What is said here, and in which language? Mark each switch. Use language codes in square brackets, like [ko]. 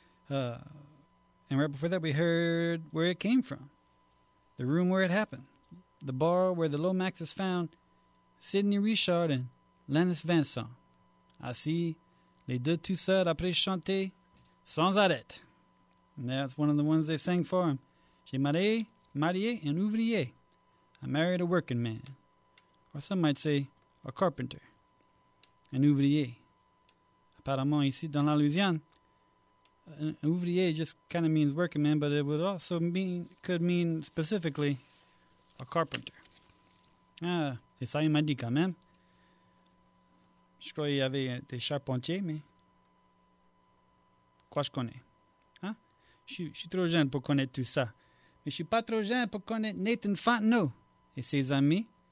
[en] And right before that, we heard Where It Came From, the room where it happened, the bar where the Lomax is found. Sidney Richard and Lennis Vincent. [fr] Ainsi, les deux tout seuls après chanter sans arrêt. [en] And that's one of the ones they sang for him. [fr] J'ai marié un ouvrier. [en] I married a working man. Or some might say, a carpenter. Un ouvrier. Apparemment, ici dans la Louisiane, un ouvrier just kind of means working man, but it would also mean, could mean specifically, a carpenter. [fr] C'est ça, il m'a dit quand même. Je croyais qu'il y avait des charpentiers, mais. Quoi je connais? Hein? Je suis trop jeune pour connaître tout ça. Mais je suis pas trop jeune pour connaître Nathan Fontenot et ses amis.